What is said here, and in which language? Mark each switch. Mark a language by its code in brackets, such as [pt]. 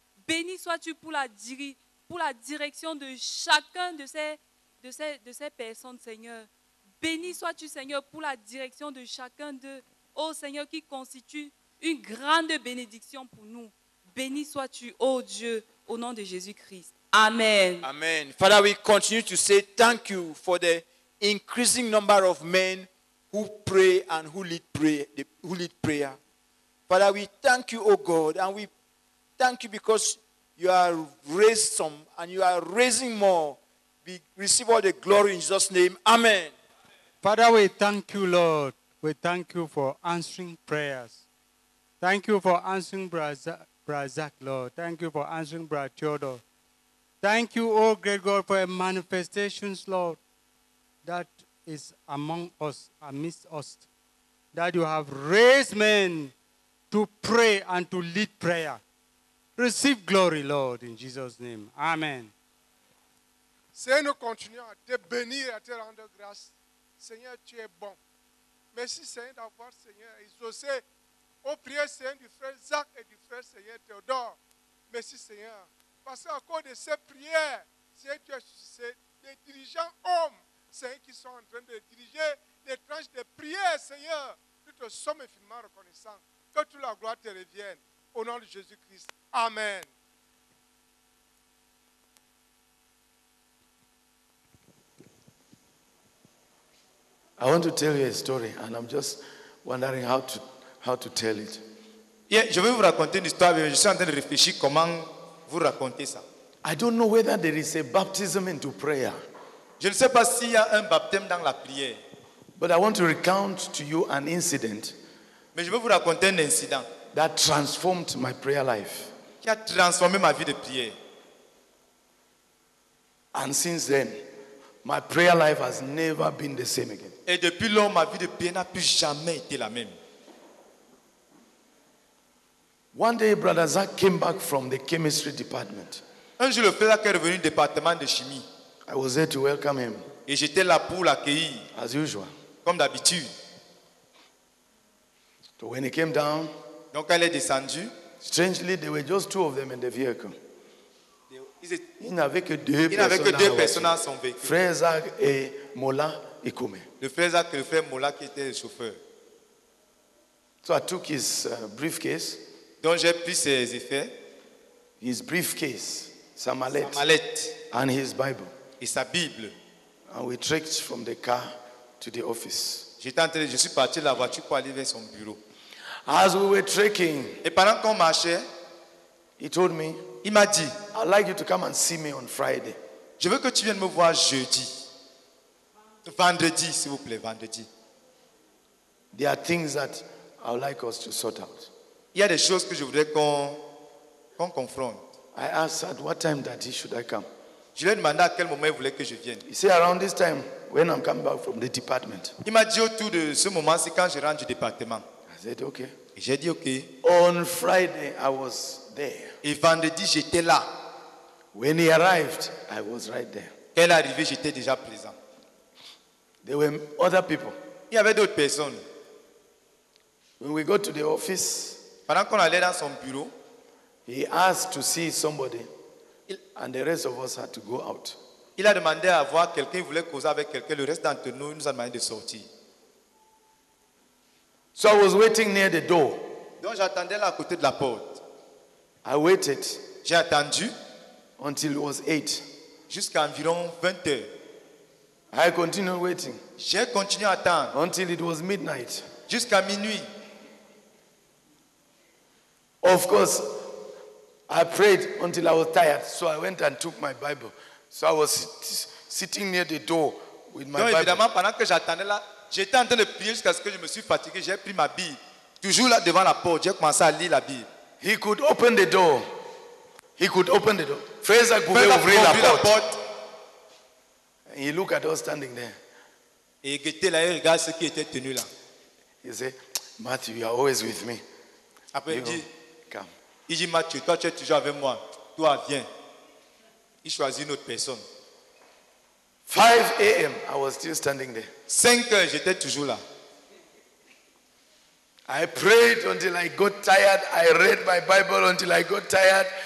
[fr] Béni sois-tu pour la direction de chacun de ces personnes, Seigneur. Béni sois-tu, Seigneur, pour la direction de chacun d'eux, ô Seigneur, qui constitue une grande bénédiction pour nous. Béni sois-tu, ô Dieu, au nom de Jésus-Christ. Amen. Amen. [en] Father, we continue to say thank you for the increasing number of men who pray and who lead prayer. Father, we thank you, O God, and we thank you because you are raised some and you are raising more. We receive all the glory in Jesus' name. Amen. Father, we thank you, Lord. We thank you for answering prayers. Thank you for answering Brother Zach, Lord. Thank you for answering Brother Theodore. Thank you, O great God, for your manifestations, Lord, that is among us, amidst us, that you have raised men to pray and to lead prayer. Receive glory, Lord, in Jesus' name. Amen. [fr] Seigneur, continue à te bénir et à te rendre grâce. Seigneur, tu es bon. Merci, Seigneur, d'avoir, Seigneur, exaucé aux prières, Seigneur, du frère Zach et du frère, Seigneur, Théodore. Merci, Seigneur. Parce qu'à cause de ces prières, Seigneur, tu as suscité des dirigeants hommes, Seigneur, qui sont en train de diriger les tranches de prières, Seigneur. Nous te sommes infiniment reconnaissants. Que toute la gloire te revienne. Au nom de Jésus-Christ. Amen. [en] I want to tell you a story, and I'm just wondering how to tell it. [fr] Yeah, je vais vous raconter une histoire, mais je suis en train de réfléchir comment vous raconter ça. [en] I don't know whether there is a baptism into prayer. [fr] Je ne sais pas s'il y a un baptême dans la prière. [en] But I want to recount to you an incident. [fr] Mais je vais vous raconter un incident [en] that transformed my prayer life. [fr] Qui a transformé ma vie de prière. [en] And since then, my prayer life has never been the same again. [fr] Et depuis lors, ma vie de prière n'a plus jamais été la même. [en] One day, Brother Zach came back from the chemistry department. [fr] Un jour, le frère Zach est revenu du département de chimie. [en] I was there to welcome him. [fr] Et j'étais là pour l'accueillir. [en] As usual. [fr] Comme d'habitude. [en] So when he came down, [fr] donc elle est descendue. [en] Strangely, there were just two of them in the vehicle. [fr] Il n'avait que deux personnes à son véhicule. Frère Zach et Mola et Koumé. Le frère Zach et le frère Mola qui étaient les chauffeurs. [en] So I took his briefcase. [fr] Donc j'ai pris ses effets. [en] His briefcase, [fr] sa mallette. Sa mallette. [en] And his Bible. [fr] Et sa Bible. [en] And we trekked from the car to the office. [fr] Je suis parti de la voiture pour aller vers son bureau. [en] As we were trekking, [fr] et pendant qu'on marchait, [en] he told me, [fr] il m'a dit, [en] I'd like you to come and see me on Friday. [fr] Je veux que tu viennes me voir jeudi. Vendredi, s'il vous plaît, vendredi. [en] There are things that I would like us to sort out. [fr] Il y a des choses que je voudrais qu'on confronte. [en] I asked at what time that he should I come. [fr] Je lui ai demandé à quel moment il voulait que je vienne. [en] He said around this time when I'm coming back from the department. [fr] Il m'a dit autour de ce moment, c'est quand je rentre du département. [en] I said okay. [fr] J'ai dit ok. [en] On Friday I was there. [fr] Et vendredi j'étais là. [en] When he arrived, I was right there. [fr] Quand il est arrivé, j'étais déjà présent. [en] There were other people. [fr] Il y avait d'autres personnes. [en] When we go to the office, [fr] pendant qu'on allait dans son bureau, [en] he asked to see somebody, and the rest of us had to go out. [fr] Il a demandé à voir quelqu'un, il voulait causer avec quelqu'un. Le reste d'entre nous, il nous a demandé de sortir. [en] So I was waiting near the door. [fr] Donc j'attendais là à côté de la porte. [en] I waited. [fr] J'ai attendu [en] until it was 8. [fr] Jusqu'à environ 20 heures. [en] I continued waiting. [fr] J'ai continué à attendre [en] until it was midnight. [fr] Jusqu'à minuit. [en] Of course, I prayed until I was tired. So I went and took my Bible. So I was sitting near the door with my [fr] Donc, [en] Bible. [fr] Évidemment, pendant que j'attendais là, j'étais en train de prier jusqu'à ce que je me suis fatigué. J'ai pris ma Bible. Toujours là devant la porte, j'ai commencé à lire la Bible. [en] He could open the door. He could open the door. [fr] Fraser pouvait ouvrir la porte. [en] And he looked at us standing there. [fr] Et était là, il regarde ce qui était tenu là. [en] He said, Matthew, you are always with me. [fr] Après, [en] you [fr] il dit, il dit, Mathieu, toi tu es toujours avec moi. Toi, viens. Il choisit une autre personne. [en] 5 a.m., I was still standing there. [fr] 5 heures, j'étais toujours là. [en] I prayed until I got tired. I read my Bible until I got tired.